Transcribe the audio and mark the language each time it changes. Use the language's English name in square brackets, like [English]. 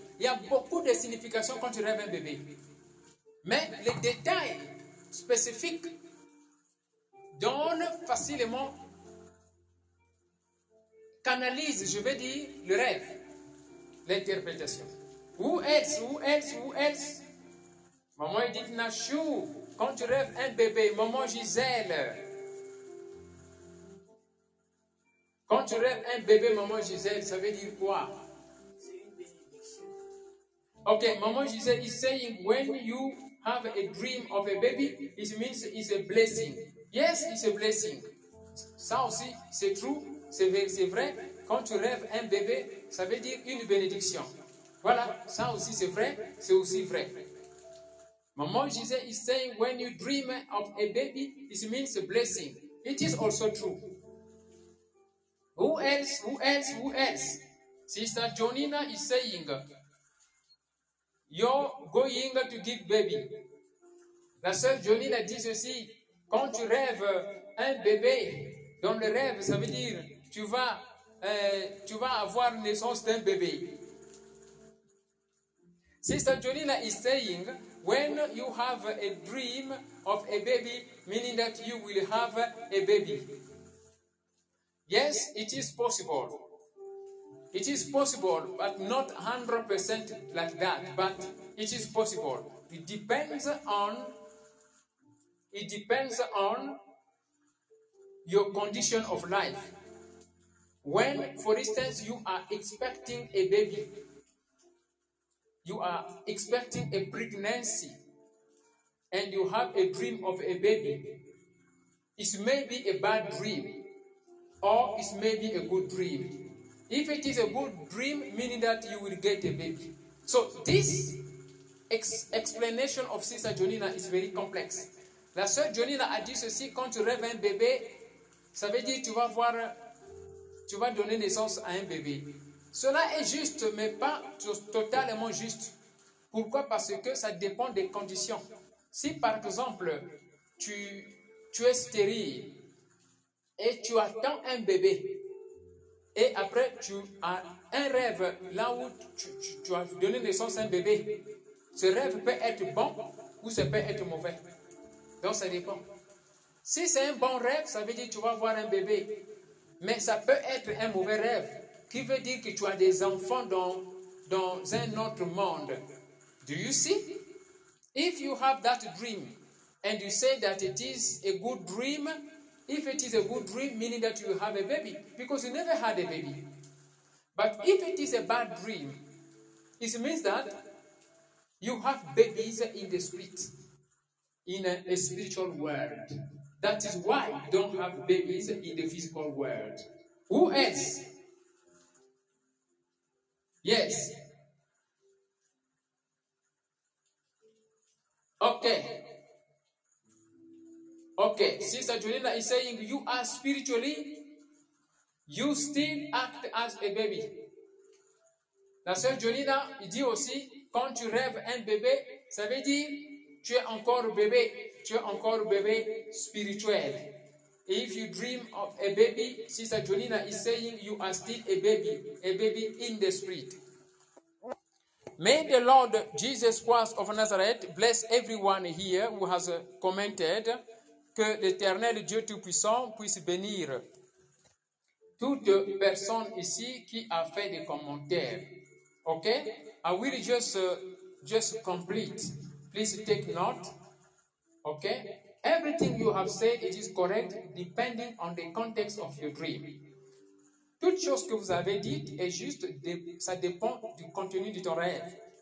[French] Il y a beaucoup de significations quand tu rêves un bébé. Mais les détails spécifiques donnent facilement, canalisent, je vais dire, le rêve, l'interprétation. Où est-ce? Où est-ce? Où est-ce? Maman Edith Nachou, quand tu rêves un bébé, maman Gisèle. Quand tu rêves un bébé, maman Gisèle, ça veut dire quoi? [English] Ok, maman Gisèle is saying, when you have a dream of a baby, it means it's a blessing. Yes, it's a blessing. [French] Ça aussi, c'est true, c'est vrai. Quand tu rêves un bébé, ça veut dire une bénédiction. Voilà, ça aussi c'est aussi vrai. [English] Maman Gisèle is saying, when you dream of a baby, it means a blessing. It is also true. Who else? Who else? Who else? Sister Jonina is saying, you're going to give baby. [French] La sœur Jonina dit ceci, quand tu rêves un bébé, dans le rêve, ça veut dire, tu vas avoir naissance d'un bébé. [English] Sister Jonina is saying, when you have a dream of a baby, meaning that you will have a baby. Yes, it is possible. It is possible, but not 100% like that. But it is possible. It depends on your condition of life. When, for instance, you are expecting a baby, you are expecting a pregnancy, and you have a dream of a baby, it may be a bad dream. Or it may be a good dream. If it is a good dream, meaning that you will get a baby. So this explanation of Sister Jonina is very complex. [French] La sœur Jonina a dit ceci, quand tu rêves un bébé, ça veut dire tu vas donner naissance à un bébé. Cela est juste, mais pas totalement juste. Pourquoi? Parce que ça dépend des conditions. Si par exemple, tu es stérile, et tu attends un bébé. Et après, tu as un rêve là où tu as donné naissance à un bébé. Ce rêve peut être bon ou ça peut être mauvais. Donc, ça dépend. Si c'est un bon rêve, ça veut dire que tu vas avoir un bébé. Mais ça peut être un mauvais rêve. Qui veut dire que tu as des enfants dans un autre monde. [English] Do you see? If you have that dream and you say that it is a good dream, if it is a good dream, meaning that you have a baby, because you never had a baby. But if it is a bad dream, it means that you have babies in the spirit, in a spiritual world. That is why you don't have babies in the physical world. Who else? Yes. Okay. Okay, Sister Jolina is saying, you are spiritually, you still act as a baby. [French] La Sœur Jolina dit aussi, quand tu rêves un bébé, ça veut dire, tu es encore bébé, spirituel. [English] If you dream of a baby, Sister Jolina is saying, you are still a baby in the spirit. May the Lord Jesus Christ of Nazareth bless everyone here who has commented. [French] Que l'Éternel Dieu Tout-Puissant puisse bénir toute personne ici qui a fait des commentaires. [English] OK? I will just complete. Please take note. OK? Everything you have said, it is correct depending on the context of your dream. [French] Toute chose que vous avez dite est juste, ça dépend du contenu de ton rêve.